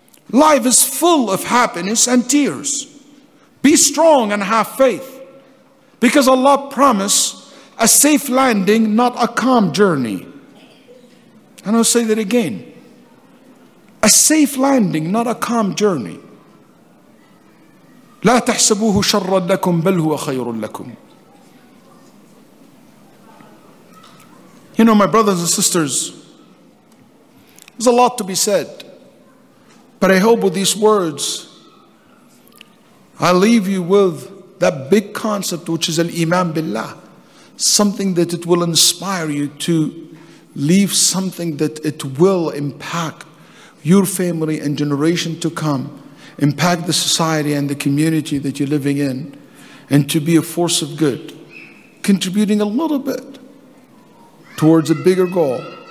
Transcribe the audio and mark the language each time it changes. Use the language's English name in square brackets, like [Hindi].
[English] Life is full of happiness and tears. Be strong and have faith, because Allah promised a safe landing, not a calm journey. And I'll say that again. A safe landing, not a calm journey. [Arabic] لا تحسبوه شرا لكم بل هو خير لكم. [English] You know, my brothers and sisters, there's a lot to be said. But I hope with these words, I leave you with that big concept, which is al-Iman billah. Something that it will inspire you to leave, something that it will impact your family and generation to come, impact the society and the community that you're living in, and to be a force of good, contributing a little bit towards a bigger goal.